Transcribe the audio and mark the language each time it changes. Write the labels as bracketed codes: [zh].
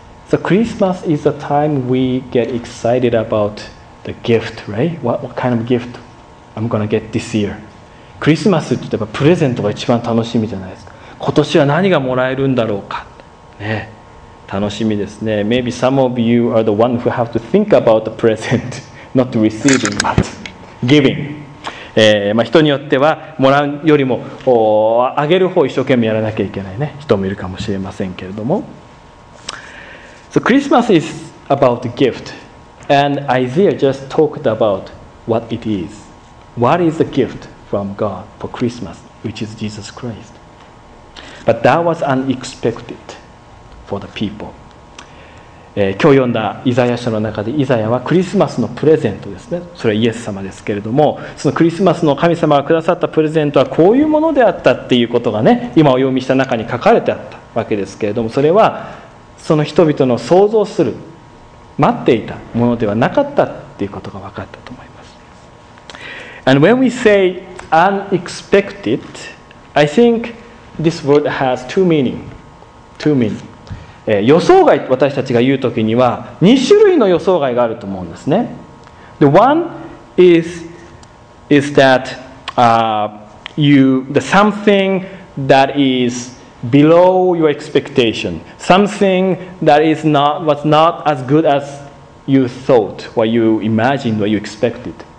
[en] So Christmas is a time we get excited about the gift, right? What kind of gift I'm gonna get this year? [ja] Christmas って言えばプレゼントが一番楽しみじゃないですか。今年は何がもらえるんだろうか、ね、楽しみですね。 [en] Maybe some of you are the one who have to think about the present, not receiving, but giving. [ja] 人によってはもらうよりもあげる方を一生懸命やらなきゃいけないね、人もいるかもしれませんけれども。 [en] So Christmas is about the gift. And Isaiah just talked about what it is. What is the gift from God for Christmas, which is Jesus Christ. But that was unexpected. For the people. [ja] 今日読んだイザヤ書の中でイザヤはクリスマスのプレゼントですね、それはイエス様ですけれども、そのクリスマスの神様がくださったプレゼントはこういうものであったっていうことがね、今お読みした中に書かれてあったわけですけれども、それはその人々の想像する待っていたものではなかったっていうことが分かったと思います。 [en] And when we say unexpected, I think This word has two meaning. Two meaning. [ja] 予想外、私たちが言うときには2種類の予想外があると思うんですね。 [en] The one is that something that is below your expectation, something that is not was not as good as you thought, what you imagined, what you expected.